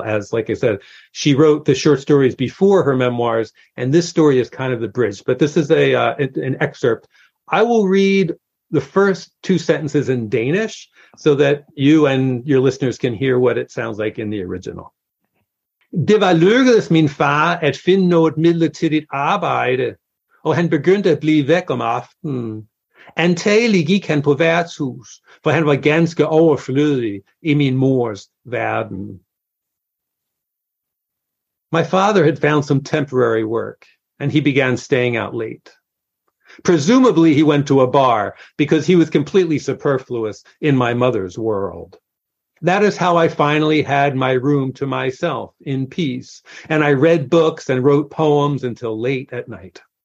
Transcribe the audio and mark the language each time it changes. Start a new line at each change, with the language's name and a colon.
English: As, like I said, she wrote the short stories before her memoirs, and this story is kind of the bridge. But this is an excerpt. I will read the first two sentences in Danish so that you and your listeners can hear what it sounds like in the original.
Danish: Det var lykkedes min far at finde noget midlertidigt arbejde, og han begyndte at blive væk om aftenen. Antagelig gik han på værtshus, for han var ganske overflødig i min mors verden.
English: My father had found some temporary work, and he began staying out late. Presumably, he went to a bar because he was completely superfluous in my mother's world. That is how I finally had my room to myself in peace, and I read books and wrote poems until late at night.